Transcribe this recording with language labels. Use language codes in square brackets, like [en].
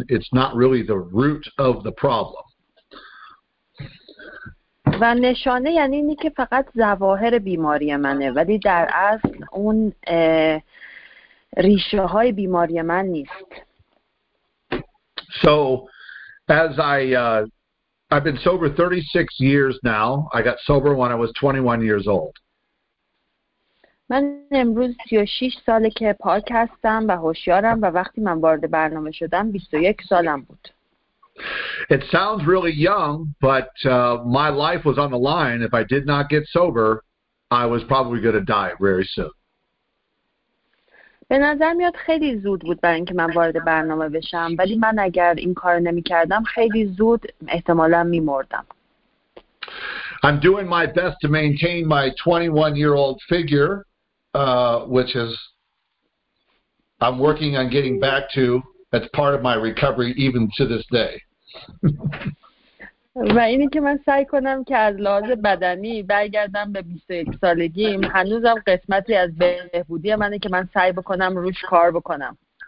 [en] It's not really the root of the problem. [fa] و نشانه یعنی اینی که فقط ظواهر بیماری منه، ولی در اصل اون ریشه های بیماری من نیست. [en] So as I've been sober 36 years now. I got sober when I was 21 years old. [fa] من امروز 36 ساله که پاک هستم و هوشیارم و وقتی من وارد برنامه شدم 21 سالم بود. [en] It sounds really young, but my life was on the line. If I did not get sober, I was probably going to die very soon. [fa] به نظر میاد خیلی زود بود برای اینکه من وارد برنامه بشم، ولی من اگر این کار نمی کردم خیلی زود احتمالاً می مردم. [en] I'm doing my best to maintain my 21-year-old figure. Which is, I'm working on getting back to, that's part of my recovery even to this day. [fa] و اینی که من سعی کنم که از لحاظ بدنی برگردم به 21 سالگیم هنوزم قسمتی از بهبودی منه که من سعی بکنم روش کار بکنم.